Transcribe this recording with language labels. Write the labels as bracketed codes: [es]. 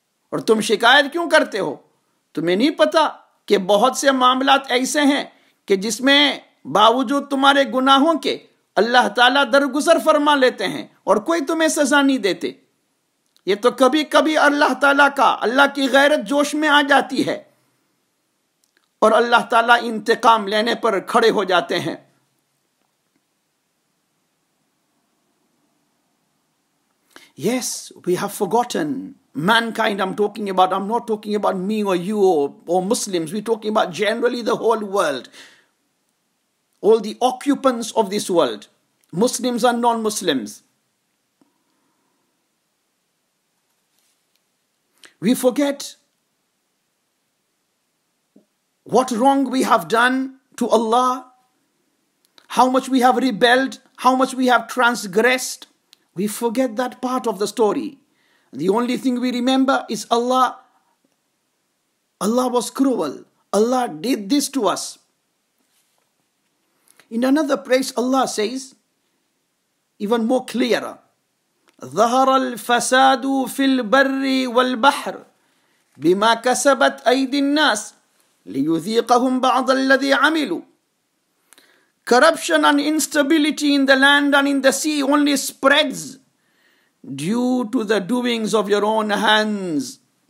[ur] اور تم شکایت کیوں کرتے ہو, تمہیں نہیں پتا کہ بہت سے معاملات ایسے ہیں کہ جس میں باوجود تمہارے گناہوں کے اللہ تعالیٰ درگزر فرما لیتے ہیں اور کوئی تمہیں سزا نہیں دیتے. یہ تو کبھی کبھی اللہ تعالیٰ کا, اللہ کی غیرت جوش میں آ جاتی ہے اور اللہ تعالیٰ انتقام لینے پر کھڑے ہو جاتے ہیں. [en] Yes, we have forgotten mankind. I'm not talking about me or you or Muslims. We're talking about generally the whole world, all the occupants of this world, Muslims and non-Muslims. We forget what wrong we have done to Allah, how much we have rebelled, how much we have transgressed. We forget that part of the story. The only thing we remember is Allah Allah was cruel. Allah did this to us. In another place, Allah says, even more clearer, [ar] ظهر الفساد في البر والبحر بما كسبت أيدي الناس ليذيقهم بعض الذي عملوا. [en] Corruption and instability in the land and in the sea only spreads due to the doings of your own hands.